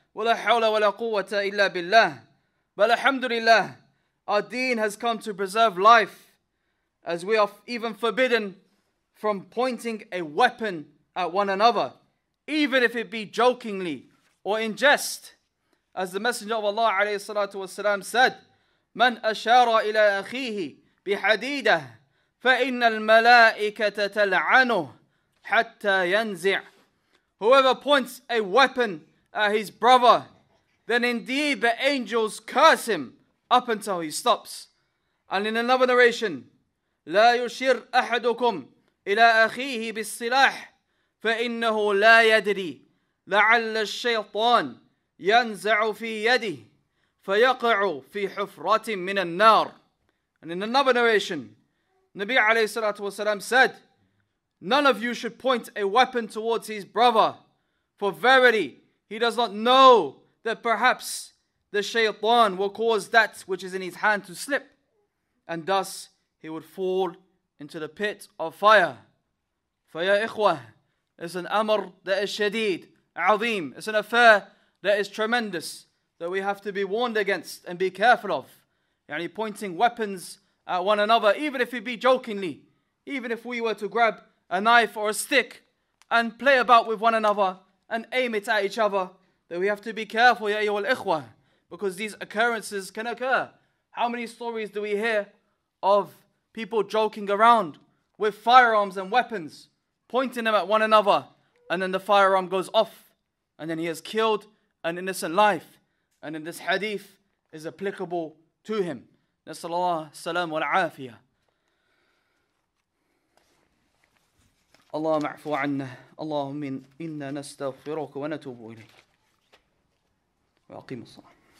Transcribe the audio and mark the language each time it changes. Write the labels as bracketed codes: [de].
[ar] وَلَا حَوْلَ وَلَا قُوَّةَ إِلَّا بِاللَّهِ. [en] But alhamdulillah, our deen has come to preserve life, as we are even forbidden from pointing a weapon at one another, even if it be jokingly or in jest. As the Messenger of Allah [ar] عليه الصلاة والسلام [en] said, [ar] مَنْ أَشَارَ إِلَىٰ أَخِيهِ بِحَدِيدَهِ فَإِنَّ الْمَلَائِكَةَ تَلْعَنُهُ حَتَّى يَنْزِعُ. [en] Whoever points a weapon at his brother, then indeed the angels curse him up until he stops. And in another narration, [ar] لَا يُشِرْ أَحَدُكُمْ إِلَىٰ أَخِيهِ بِالصِّلَاحِ فَإِنَّهُ لَا يَدْرِي لَعَلَّ الشَّيْطَانِ يَنْزَعُ فِي يَدِهِ فَيَقَعُ فِي حُفْرَةٍ مِّنَ النَّارِ. [en] And in another narration, Nabi alayhi salatu wasalam said, none of you should point a weapon towards his brother, for verily, he does not know that perhaps the shaytan will cause that which is in his hand to slip, and thus he would fall into the pit of fire. [ar] فَيَا إِخْوَةِ, [en] it's an amr that is shadeed, عَظِيمٌ, it's an affair that is tremendous, that we have to be warned against and be careful of. Yani pointing weapons at one another, even if it be jokingly, even if we were to grab a knife or a stick and play about with one another and aim it at each other, that we have to be careful, ya ayyuhal ikhwah, because these occurrences can occur. How many stories do we hear of people joking around with firearms and weapons pointing them at one another, and then the firearm goes off, and then he has killed an innocent life. And then this hadith is applicable to him. [ar] نسأل الله السلام والعافية. اللهم اعفو عنا اللهم إنا نستغفرك ونتوب إليك وأقيم الصلاة.